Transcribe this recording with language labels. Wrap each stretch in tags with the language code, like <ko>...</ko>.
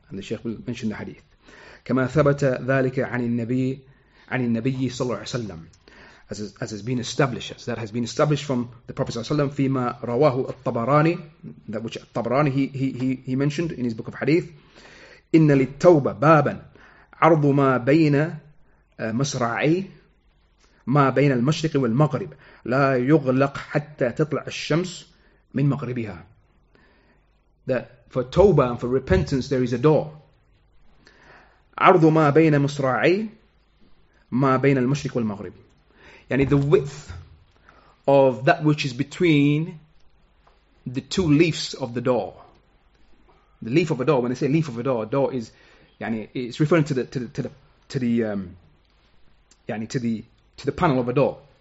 <en>And the Shaykh will mention the hadith.</en> <ar>كَمَا ثَبَتَ ذَلِكَ عَنِ النَّبِيِّ صَلَّى اللَّهُ عَلَيْهِ وَسَلَّمَ</ar> <en>As has been established, as that has been established from the Prophet ﷺ,</en> <ar>فيما رواه الطبراني,</ar> <en>that which</en> <ar>الطبراني</ar> <en>he mentioned in his book of hadith,</en> <ar>إن للتوبة بابا عرض ما بين مصرعي ما بين المشرق والمغرب لا يغلق حتى تطلع الشمس من مغربها.</ar> <en>That for tawbah and for repentance there is a door.</en> <ar>عرض ما بين مصرعي ما بين المشرق والمغرب.</ar> <en>Yani the width of that which is between the two leaves of the door. The leaf of a door, when they say leaf of a door is yani it's referring to the panel of a door.</en>